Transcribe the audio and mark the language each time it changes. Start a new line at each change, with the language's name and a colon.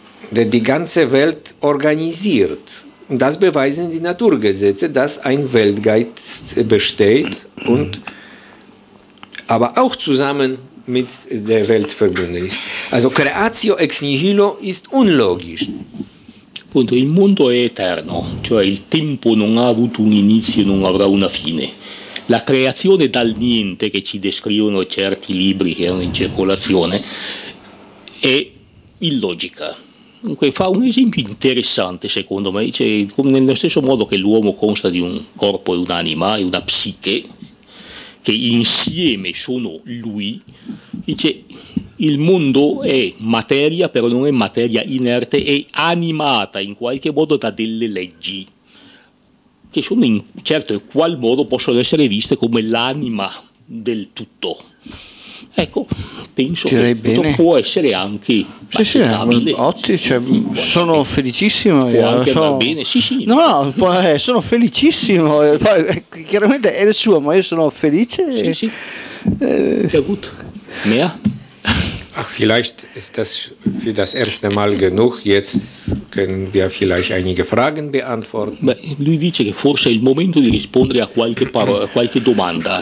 German: Der die ganze Welt organisiert. Und das beweisen die Naturgesetze, dass ein Weltgeist besteht und aber auch zusammen mit der Welt verbunden ist. Also Creatio ex nihilo ist unlogisch.
Italian: Punto, il mondo è eterno, cioè il tempo non ha avuto un inizio e non avrà una fine. La creazione dal niente, che ci descrivono certi libri che erano in circolazione, è illogica. Dunque fa un esempio interessante secondo me, cioè, come nello stesso modo che l'uomo consta di un corpo e un'anima e una psiche che insieme sono lui, dice il mondo è materia però non è materia inerte, è animata in qualche modo da delle leggi che sono in certo qual modo possono essere viste come l'anima del tutto. Ecco, penso direi che bene. Può essere anche accettabile. Ottimo, cioè, sono felicissimo. Può anche andare bene, sì sì. No, no, sono felicissimo. Sì. Poi, chiaramente è il suo, ma io sono felice. Sì, sì.
German: Sehr gut. Mehr? Ach, vielleicht ist das für das erste Mal genug. Jetzt können wir vielleicht einige Fragen beantworten.
Italian: Beh, lui dice che forse è il momento di rispondere a qualche parola, a qualche domanda.